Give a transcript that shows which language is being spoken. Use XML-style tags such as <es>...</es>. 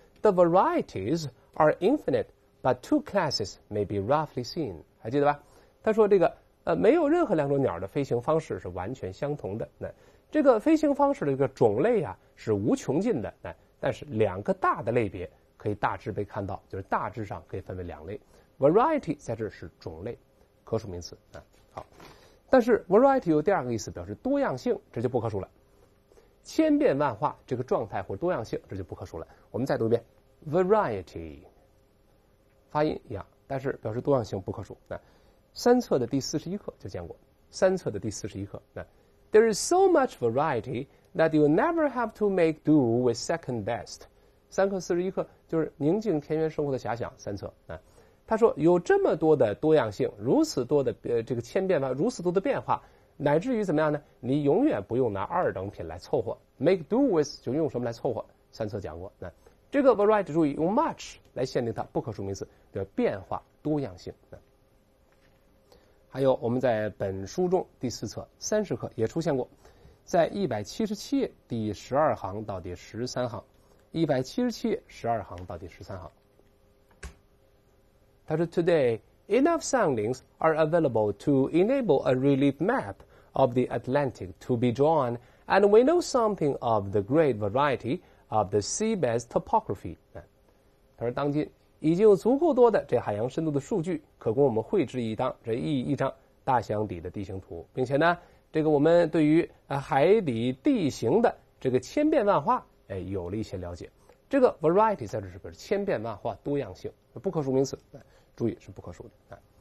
<en>The varieties are infinite, but two classes may be roughly seen.</en> <zh>还记得吧？他说这个没有任何两种鸟的飞行方式是完全相同的。这个飞行方式的一个种类啊是无穷尽的，但是两个大的类别可以大致被看到，就是大致上可以分为两类。 Variety 在这是种类，可数名词啊。好，但是 variety 有第二个意思，表示多样性，这就不可数了。千变万化这个状态或多样性，这就不可数了。我们再读一遍 ，variety， 发音一样，但是表示多样性不可数。那三册的第41课就见过，三册的第41课。</zh> <en>那 there is so much variety that you never have to make do with second best。</en> <zh>三课四十一课就是宁静田园生活的遐想三册啊，他说有这么多的多样性，如此多的这个千变万，如此多的变化，乃至于怎么样呢？你永远不用拿二等品来凑合 ，make do with 就用什么来凑合？三册讲过，那这个 variety 注意用 much 来限定它，不可数名词的变化多样性。还有我们在本书中第四册三十课也出现过，在177页第12行到第13行。 177页12行到第13行，他说</zh> <en>Today enough soundings are available to enable a relief map of the Atlantic to be drawn, and we know something of the great variety of the seabed's topography.</en> <zh>他说当今已经有足够多的这海洋深度的数据可供我们绘制一张大西洋底的地形图，并且呢这个我们对于海底地形的这个千变万化有了一些了解。这个 variety 在这是不是千变万化多样性，不可数名词，注意是不可数的。</zh>